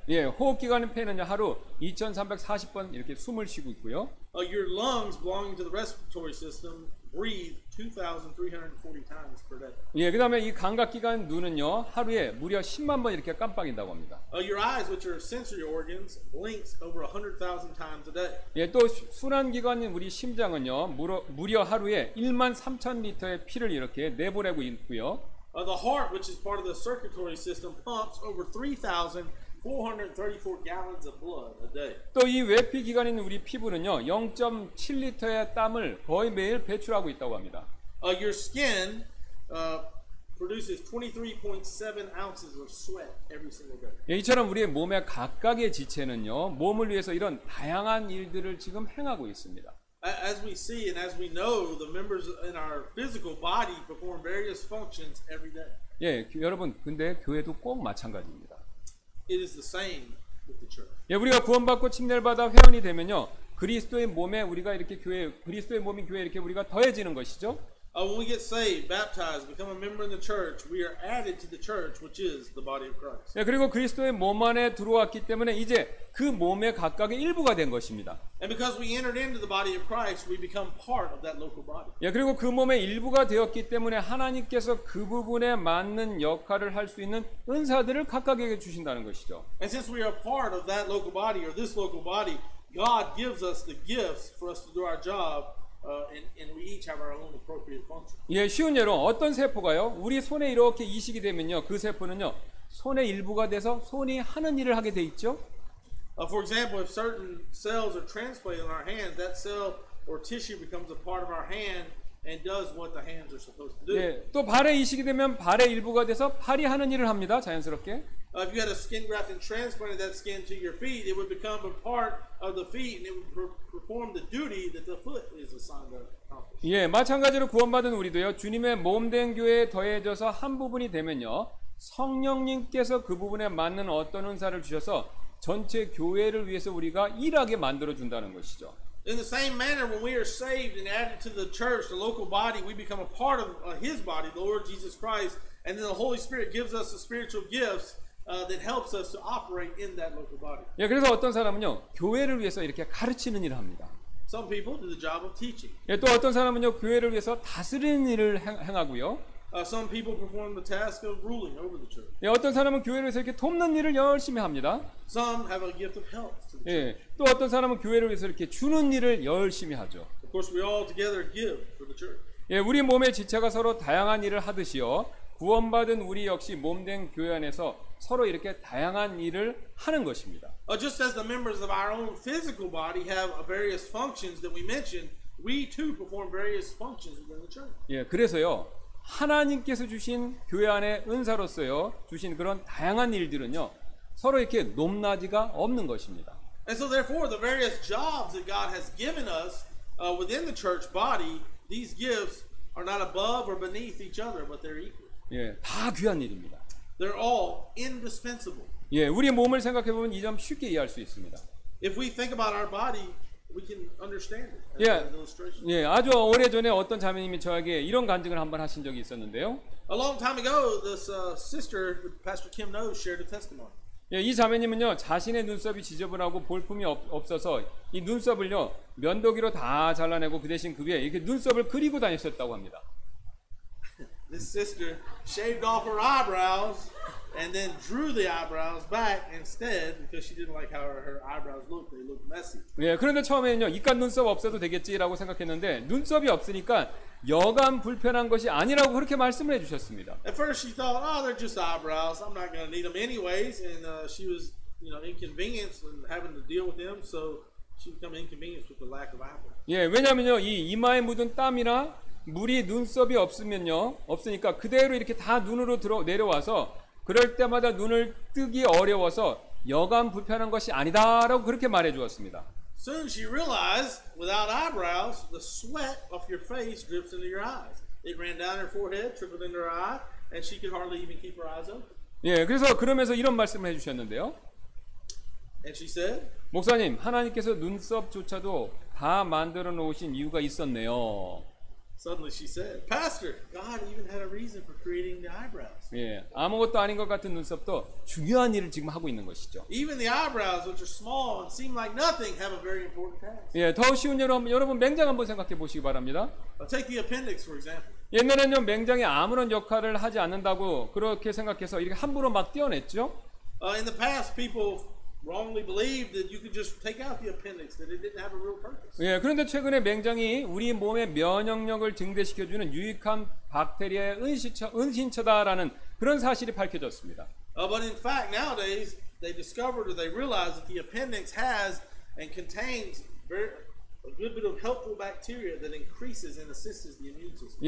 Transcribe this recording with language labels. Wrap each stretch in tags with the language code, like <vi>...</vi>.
<ko>예, 호흡 기관인 폐는요 하루 2,340번 이렇게 숨을 쉬고 있고요.</ko> <en>Your lungs belonging to the respiratory system breathe 2,340 times per day.</en> <ko>예, 그다음에 이 감각 기관 눈은요 하루에 무려 10만 번 이렇게 깜빡인다고 합니다.</ko> <en>Your eyes, which are sensory organs, blinks over 100,000 times a day.</en> <ko>예, 또 순환 기관인 우리 심장은요 무려 하루에 1만 3천 리터의 피를 이렇게 내보내고 있고요.</ko> <en>The heart, which is part of the circulatory system, pumps over 3,434 gallons of blood a day.</en> <ko>또 이 외피 기관인 우리 피부는요, 0.7리터의 땀을 거의 매일 배출하고 있다고 합니다.</ko> <en>Your skin produces 23.7 ounces of sweat every single day.</en> <ko>예, 이처럼 우리의 몸의 각각의 지체는요, 몸을 위해서 이런 다양한 일들을 지금 행하고 있습니다.</ko> <en>As we see and as we know, the members in our physical body perform various functions every day.</en> <ko>예, 여러분, 근데 교회도 꼭 마찬가지입니다.</ko> <en>It is the same with the church.</en> <ko>예, 우리가 구원받고 침례를 받아 회원이 되면요, 그리스도의 몸에 우리가 이렇게 교회, 그리스도의 몸인 교회 이렇게 우리가 더해지는 것이죠.</ko> <en>When we get saved, baptized, become a member in the church, we are added to the church, which is the body of Christ.</en> <ko>예, 그리고 그리스도의 몸 안에 들어왔기 때문에 이제 그 몸의 각각의 일부가 된 것입니다.</ko> <en>And because we entered into the body of Christ, we become part of that local body.</en> <ko>예, 그리고 그 몸의 일부가 되었기 때문에 하나님께서 그 부분에 맞는 역할을 할 수 있는 은사들을 각각에게 주신다는 것이죠.</ko> <en>And since we are part of that local body or this local body, God gives us the gifts for us to do our job. And we each have our own appropriate function.</en> <ko>예, 쉬운 예로 어떤 세포가요? 우리 손에 이렇게 이식이 되면요, 그 세포는요, 손의 일부가 돼서 손이 하는 일을 하게 돼 있죠.</ko> <en>For example, if certain cells are transplanted in our hands, that cell or tissue becomes a part of our hand and does what the hands are supposed to do.</en> <ko>예, 또 발에 이식이 되면 발의 일부가 돼서 팔이 하는 일을 합니다, 자연스럽게.</ko> <en>If you had a skin graft and transplanted that skin to your feet, it would become a part of the feet, and it would perform the duty that the foot is assigned to accomplish.</en> <ko>예, 마찬가지로 구원받은 우리도요, 주님의 몸된 교회에 더해져서 한 부분이 되면요, 성령님께서 그 부분에 맞는 어떤 은사를 주셔서 전체 교회를 위해서 우리가 일하게 만들어 준다는 것이죠.</ko> <en>In the same manner, when we are saved and added to the church, the local body, we become a part of His body, the Lord Jesus Christ, and then the Holy Spirit gives us the spiritual gifts. That helps us to operate in that local body.</en> <ko>예, 그래서 어떤 사람은요 교회를 위해서 이렇게 가르치는 일을 합니다.</ko> <en>Some people do the job of teaching.</en> <ko>예, 또 어떤 사람은요 교회를 위해서 다스리는 일을 행하고요.</ko> <en>Some people perform the task of ruling over the church.</en> <ko>예, 어떤 사람은 교회를 위해서 이렇게 돕는 일을 열심히 합니다.</ko> <en>Some have a gift of help to the church.</en> <ko>예, 또 어떤 사람은 교회를 위해서 이렇게 주는 일을 열심히 하죠.</ko> <en>Of course, we all together give for the church.</en> <ko>예, 우리 몸의 지체가 서로 다양한 일을 하듯이요. 구원받은 우리 역시 몸된 교회 안에서 서로 이렇게 다양한 일을 하는 것입니다.</ko> <en>Just as the members of our own physical body have various functions that we mentioned, we too perform various functions within the church.</en> <ko>예, 그래서요. 하나님께서 주신 교회 안에 은사로서요. 주신 그런 다양한 일들은요. 서로 이렇게 높낮이가 없는 것입니다.</ko> <en>And so therefore the various jobs that God has given us within the church body, these gifts are not above or beneath each other, but they're equal.</en> <ko>예, 다 귀한 일입니다.</ko> <en>They're all indispensable.</en> <ko>예, 우리 몸을 생각해 보면 이 점 쉽게 이해할 수 있습니다.</ko> <en>If we think about our body, we can understand it. As 예, an illustration.</en> <ko>예, 아주 오래 전에 어떤 자매님이 저에게 이런 간증을 한번 하신 적이 있었는데요.</ko> <en>A long time ago, this sister, Pastor Kim Noh, shared a testimony.</en> <ko>예, 이 자매님은요 자신의 눈썹이 지저분하고 볼품이 없어서 이 눈썹을요 면도기로 다 잘라내고 그 대신 그 위에 이렇게 눈썹을 그리고 다녔었다고 합니다.</ko> <en>This sister shaved off her eyebrows and then drew the eyebrows back instead because she didn't like how her eyebrows looked. They looked messy.</en> <ko>예, 그런데 처음에는요, 이깟 눈썹 없어도 되겠지라고 생각했는데 눈썹이 없으니까 여간 불편한 것이 아니라고 그렇게 말씀을 해주셨습니다.</ko> <en>At first she thought, oh, they're just eyebrows. I'm not going to need them anyways. And she was, you know, inconvenienced and having to deal with them, so she became inconvenienced with the lack of eyebrows.</en> <ko>예, 왜냐면요, 이 이마에 묻은 땀이나 물이 눈썹이 없으면요 없으니까 그대로 이렇게 다 눈으로 내려와서 그럴 때마다 눈을 뜨기 어려워서 여간 불편한 것이 아니다 라고 그렇게 말해 주었습니다.</ko> <en>Soon she realized without eyebrows the sweat of your face drips into your eyes. It ran down her forehead, trickled into her eye, and she could hardly even keep her eyes open.</en> <ko>예, 그래서 그러면서 이런 말씀을 해 주셨는데요.</ko> <en>And she said,</en> <ko>목사님, 하나님께서 눈썹조차도 다 만들어 놓으신 이유가 있었네요.</ko> <en>Suddenly she said, Pastor, God even had a reason for creating the eyebrows.</en> <ko>예, 아무것도 아닌 것 같은 눈썹도 중요한 일을 지금 하고 있는 것이죠.</ko> <en>Even the eyebrows, which are small and seem like nothing, have a very important task.</en> <ko>예, 더 쉬운 예로 여러분 맹장 한번 생각해 보시기 바랍니다.</ko> <en>I'll take the appendix for example.</en> <ko>옛날에는 맹장이 아무런 역할을 하지 않는다고 그렇게 생각해서 이렇게 함부로 막 떼어냈죠.</ko> <en>In the past, people wrongly believed that you could just take out the appendix, that it didn't have a real purpose.</en> <ko>예, 그런데 최근에 맹장이 우리 몸의 면역력을 증대시켜주는 유익한 박테리아의 은신처다라는 그런 사실이 밝혀졌습니다.</ko> <en>But in fact, nowadays they discovered or they realized that the appendix has and contains a good bit of helpful bacteria that increases and assists the immune system.</en>